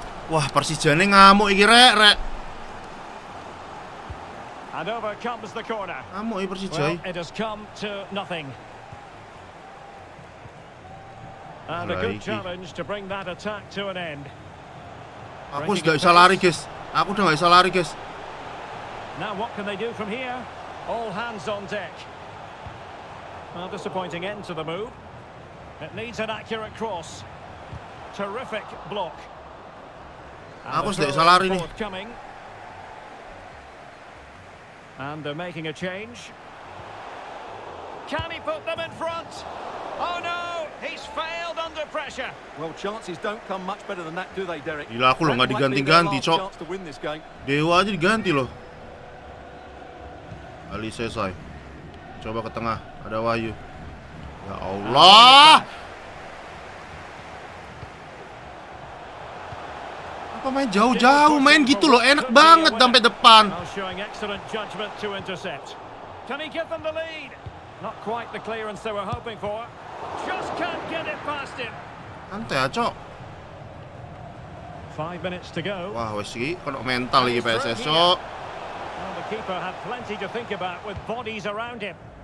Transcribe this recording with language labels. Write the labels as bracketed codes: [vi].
[jv] Wah, Persijane ngamuk iki rek, rek. [en] And over comes the corner. [jv] Ngamuk iki Persija. [en] Well, it has come to nothing. And a good challenge to bring that attack to an end. [id] Aku sudah gak bisa lari, guys. Aku udah gak bisa lari, guys. [en] Now what can they do from here? All hands on deck. Well, disappointing end to the move. It needs an accurate cross. Terrific block. [id] Aku sudah gak bisa lari nih. [en] And they're making a change. Can he put them in front? Oh no! He's failed under pressure. Well, chances don't come much better than that, do they, Derek? [id] Gila aku loh, nggak diganti-ganti, cok. Dewa aja diganti loh. Ali selesai. Coba ke tengah, ada Wahyu. Ya Allah! Apa main jauh-jauh? Main gitu loh, enak banget sampai depan. [en] Showing excellent judgment to intercept. Can he give them the lead? Not quite the clearance they were hoping for. Just can't get it past him. [id] Santai ya, cok. [en] 5 minutes to go. [jv] Wah, wes iki kena mental iki PSS, cok. [en] keeper had plenty to think about with bodies around him.